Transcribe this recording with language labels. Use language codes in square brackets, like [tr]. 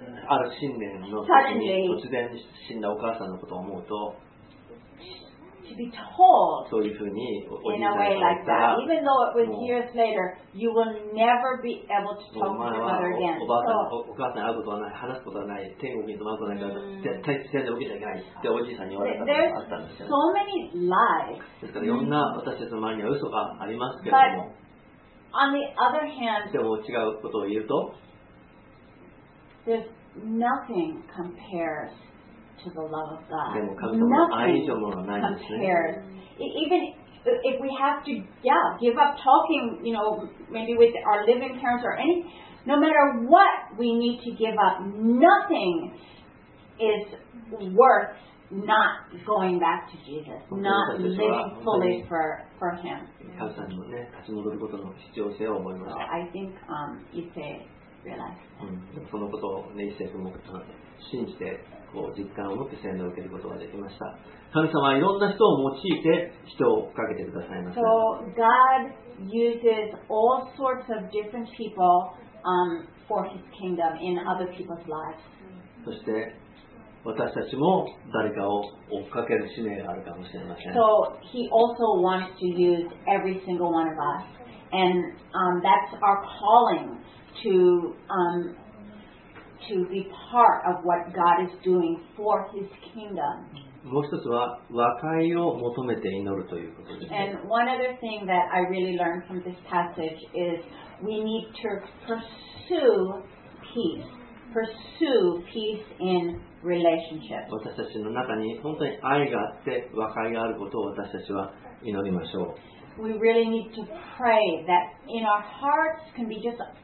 [ja] ある新年の時に突然死んだお母さんのことを思うと、 [en] to be told [ja] そういうふうにおじいさんが言ったら、 [en] like、even though it was years later, you will never be able to talk to your mother again. [ja] おばあさん、お母さんに会うことはない、話すことはない、天国に泊まることはないから、絶対自然で受けちゃいけないっておじいさんに言われたことがあったんですよ。 [en] So many lies. [ja] ですから、いろんな私たちの周りには嘘がありますけども、 [en] but on the other hand, [ja] でも違うことを言うと。 [en] There's nothing compares to the love of God. Nothing compares. Even if we have to, yeah, give up talking, you know, maybe with our living parents or any, no matter what we need to give up, nothing is worth not going back to Jesus, not living fully for Him. I think Ise. [ja] うん、そのことを、ね、一生懸命信じてこう実感を持って洗礼を受けることができました。神様はいろんな人を用いて人をかけてくださいました。 [en] So God uses all sorts of different people, for His kingdom in other people's lives. [ja] そして私たちも誰かを追っかける使命があるかもしれません。 [en] So He also wants to use every single one of us, and that's our calling. To be part of what God is doing for His kingdom. [ja] もう一つは和解を求めて祈るということです。 [en] And one other thing that I really learned from this passage is we need to pursue peace in relationships. [ja] 私たちの中に本当に愛があって和解があることを私たちは祈りましょう。 [en] We really need to pray that in our hearts can be just.